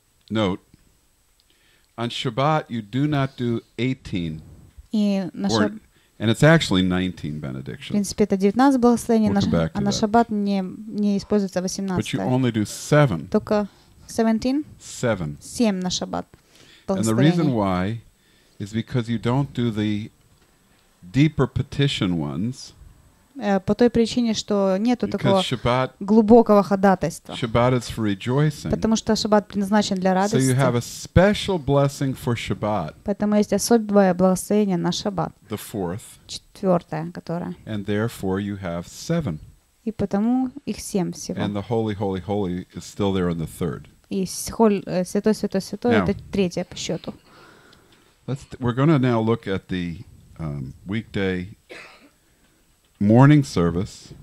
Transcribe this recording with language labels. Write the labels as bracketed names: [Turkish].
[English] Note. On Shabbat, you do not do 18. And it's actually 19 benedictions. [Russian] В принципе, это 19 благословений, а на Шаббат не используется 18. [English] But you only do 7. [Russian] Только 17? [English] 7. [Russian] 7 на Шаббат благословений. [English] And the reason why is because you don't do the deeper petition ones. [Russian] По той причине, что нету такого глубокого ходатайства. [English] Shabbat is for rejoicing. [Russian] Потому что Шаббат предназначен для радости. [English] So you have a special blessing for Shabbat. [Russian] Поэтому есть особое благословение на Шаббат. [English] The fourth. [Russian] Четвертое, которое. [English] And therefore you have 7. [Russian] И потому их 7 всего. [English] And the holy, holy, holy is still there on the third. [Russian] И святой, святой, святой — это третье по счету. [English] We're going to now look at the weekday morning service.